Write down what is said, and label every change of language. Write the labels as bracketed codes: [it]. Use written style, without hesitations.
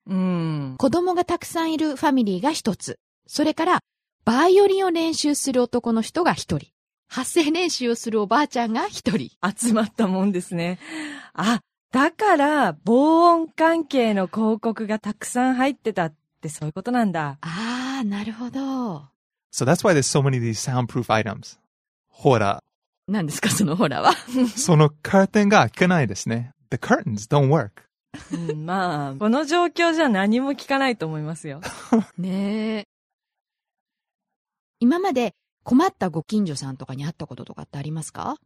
[ja] 子供がたくさんいるファミリーが一つ。それから、バイオリンを練習する男の人が一人。発声練習をするおばあちゃんが一人。集まったもんですね。あ、だから、防音関係の広告がたくさん入ってたってそういうことなんだ。ああ、なるほど。 [en] So that's why there's so many of these soundproof items. [ja] ほら。何ですか、そのほらは。そのカーテンが開けないですね。 [en] The curtains don't work. [ja] まあ、この状況じゃ何も聞かないと思いますよ。ねえ。今まで困ったご近所さんとかに会ったこととかってありますか?